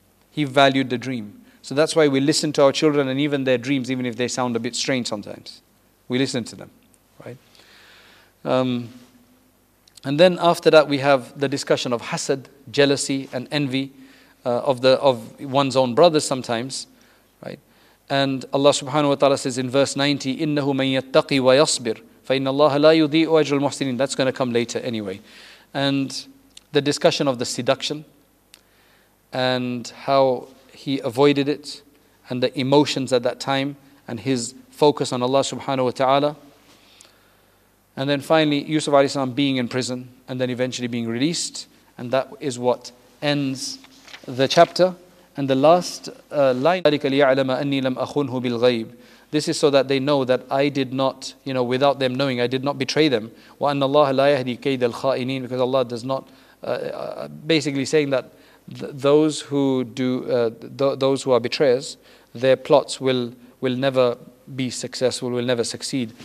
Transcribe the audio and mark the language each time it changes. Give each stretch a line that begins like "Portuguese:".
English: He valued the dream. So that's why we listen to our children and even their dreams, even if they sound a bit strange sometimes. We listen to them, right? And then after that, we have the discussion of hasad, jealousy, and envy of one's own brothers sometimes, right? And Allah subhanahu wa ta'ala says in verse 90,
Arabic: إِنَّهُ مَنْ يَتَّقِي وَيَصْبِرْ فَإِنَّ اللَّهَ لَا يُضِيءُ أَجْرَ الْمُحْسِنِينَ.
English: That's going to come later anyway. And the discussion of the seduction and how he avoided it and the emotions at that time and his focus on Allah subhanahu wa ta'ala. And then finally, Yusuf alayhi salam being in prison and then eventually being released. And that is what ends the chapter. And the last line,
Arabic: ذَلِكَ لِيَعْلَمَ أَنِّي لَمْ أَخُنْهُ بِالْغَيْبِ.
English: This is so that they know that I did not, you know, without them knowing, I did not betray them.
Arabic: وَأَنَّ اللَّهَ لَا يَهْدِي كَيْدَ الْخَائِنِينَ.
English: Because Allah does not, basically saying that those who are betrayers, their plots will never be successful, will never succeed.